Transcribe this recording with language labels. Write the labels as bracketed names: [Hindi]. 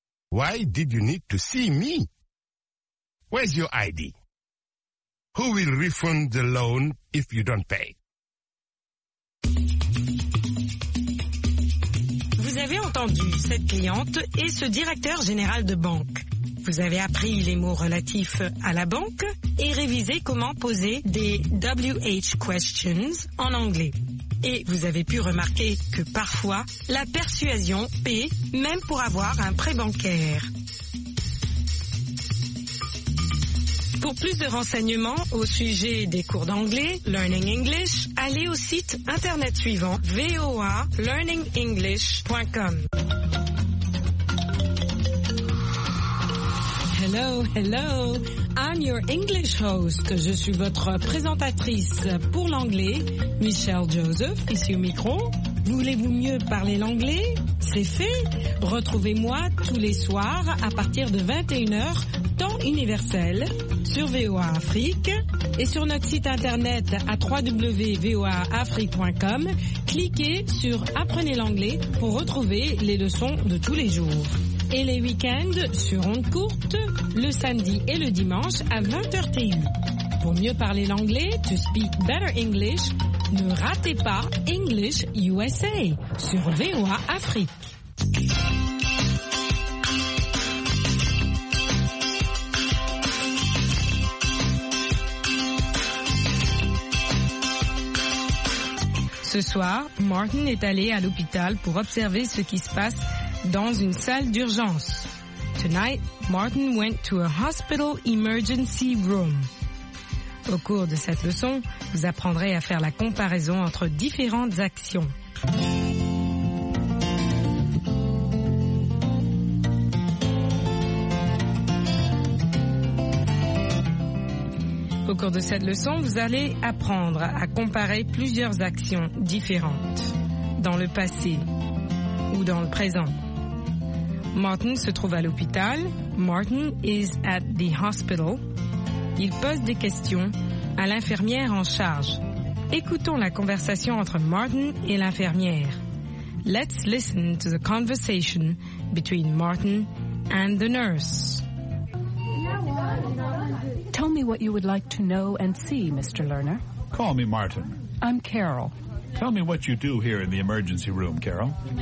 [English] Why did you need to see me? Where's your ID? Who will refund the loan if you don't pay? [French] Vous avez entendu cette cliente et ce directeur général de banque. Vous avez appris les mots relatifs à la banque et révisé comment poser des WH questions en anglais. Et vous avez pu remarquer que parfois, la persuasion paie même pour avoir un prêt bancaire. Pour plus de renseignements au sujet des cours d'anglais, Learning English, allez au site internet suivant voalearningenglish.com. [English] Hello, hello, I'm your English host. [French] Je suis votre présentatrice pour l'anglais, Michelle Joseph, ici au micro. Voulez-vous mieux parler l'anglais? C'est fait. Retrouvez-moi tous les soirs à partir de 21h, temps universel, sur VOA Afrique et sur notre site internet à www.voaafrique.com. Cliquez sur Apprenez l'anglais pour retrouver les leçons de tous les jours. Et les week-ends sur Onde Courte, le samedi et le dimanche à 20h TU. Pour mieux parler l'anglais, [English] to speak better English, [French] ne ratez pas English USA sur VOA Afrique. Ce soir, Martin est allé à l'hôpital pour observer ce qui se passe dans une salle d'urgence. [English] Tonight, Martin went to a hospital emergency room. [French] Au cours de cette leçon, vous apprendrez à faire la comparaison entre différentes actions. Au cours de cette leçon, vous allez apprendre à comparer plusieurs actions différentes dans le passé ou dans le présent. Martin se trouve à l'hôpital. [English] Martin is at the hospital. [French] Il pose des questions à l'infirmière en charge. Écoutons la conversation entre Martin et l'infirmière. [English] Let's listen to the conversation between Martin and the nurse. Tell me what you would like to know and see, Mr. Lerner. Call me Martin. I'm Carol. Tell me what you do here in the emergency room, Carol.